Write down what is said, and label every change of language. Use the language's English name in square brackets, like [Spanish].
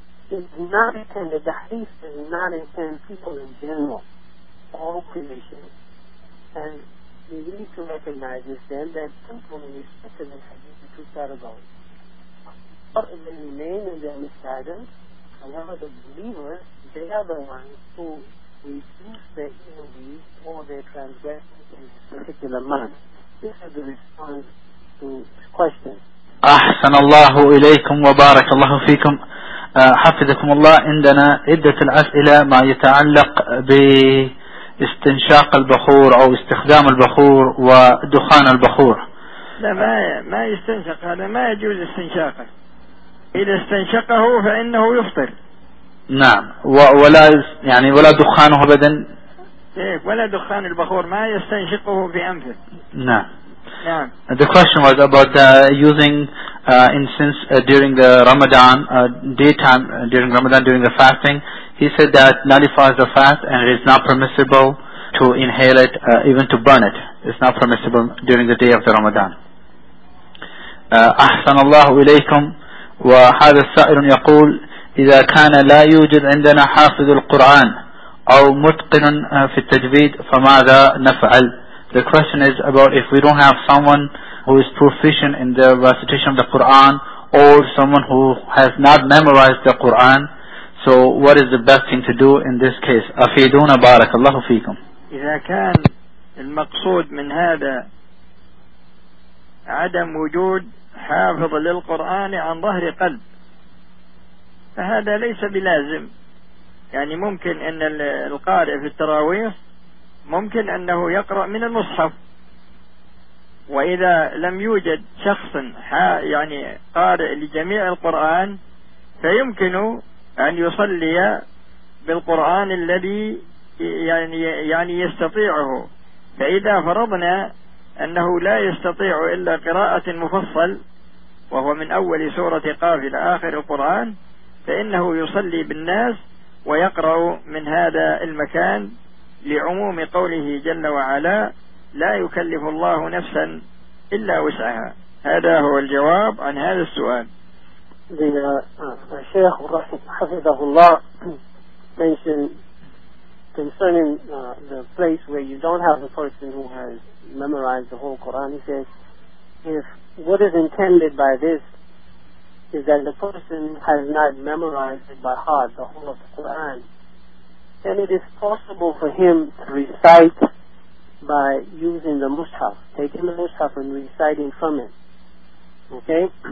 [English] It's not intended, the hadith does not intend people in general, all creation, and we need to recognize this then, that people in respect to this hadith are two categories. But if they remain in their misguidance, however, the believers, they are the ones who reduce their evil deeds or their transgressions in this particular month. This is the response to the question. [Arabic] أحسن الله إليكم وبارك الله فيكم. حفظكم الله. عندنا عدة الأسئلة ما يتعلق باستنشاق البخور أو استخدام البخور ودخان البخور. لا، ما يستنشق، هذا ما يجوز استنشاقه. إذا استنشقه فإنه يفطر. نعم، ولا يعني ولا دخانه أبدا. إيه، ولا دخان البخور، ما يستنشقه بأنفه. نعم. [English] Yeah. The question was about using incense during the Ramadan daytime, during Ramadan, during the fasting. He said that nullifies the fast and it is not permissible to inhale it, even to burn it. It's not permissible during the day of the Ramadan. [Arabic] أحسن الله إليكم وهذا السائر يقول إذا كان لا يوجد عندنا حافظ القرآن أو متقن في التجويد فماذا نفعل؟ [English] The question is about if we don't have someone who is proficient in the recitation of the Quran or someone who has not memorized the Quran, so what is the best thing to do in this case? [Arabic] أفيدونا بارك الله فيكم. إذا كان المقصود من هذا عدم وجود حافظ للقرآن عن ظهر قلب فهذا ليس بلازم, يعني ممكن أن القارئ في التراويح ممكن أنه يقرأ من المصحف, وإذا لم يوجد شخص يعني قارئ لجميع القرآن فيمكن أن يصلي بالقرآن الذي يعني يستطيعه. فإذا فرضنا أنه لا يستطيع إلا قراءة مفصل وهو من أول سورة قاف إلى آخر القرآن فإنه يصلي بالناس ويقرأ من هذا المكان لعموم قوله جل وعلا لا يكلف الله نفسا إلا وسعها. هذا هو الجواب عن هذا السؤال. الشيخ حفظه الله [English] mentioned concerning the place where you don't have a person who has memorized the whole Quran, he says if what is intended by this is that the person has not memorized it by heart, the whole of the Quran, then it is possible for him to recite by using the mushaf, taking the mushaf and reciting from it. Okay?